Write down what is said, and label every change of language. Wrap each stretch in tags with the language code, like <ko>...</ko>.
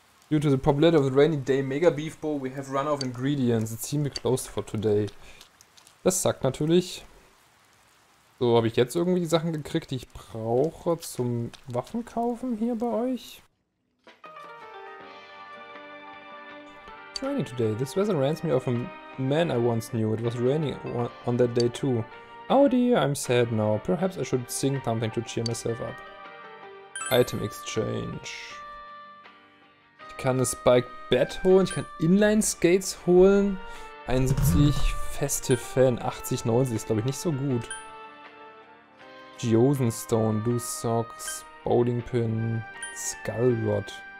<en>Due to the probability of the rainy day mega beef bowl, we have run out of ingredients. It seems closed for today.</en> <de>Das sagt natürlich. So, habe ich jetzt irgendwie die Sachen gekriegt, die ich brauche zum Waffenkaufen hier bei euch?</de> <en>It's raining today. This weather reminds me of a man I once knew. It was raining on that day too. Oh dear, I'm sad now. Perhaps I should sing something to cheer myself up. Item exchange.</en> <de>Ich kann ein Spike Bat holen, ich kann Inline Skates holen. 71 Festive Fan, 80, 90 ist glaube ich nicht so gut.</de> <en>Geosen Stone, Loose Socks, Bowling Pin, Skull Rod.</en>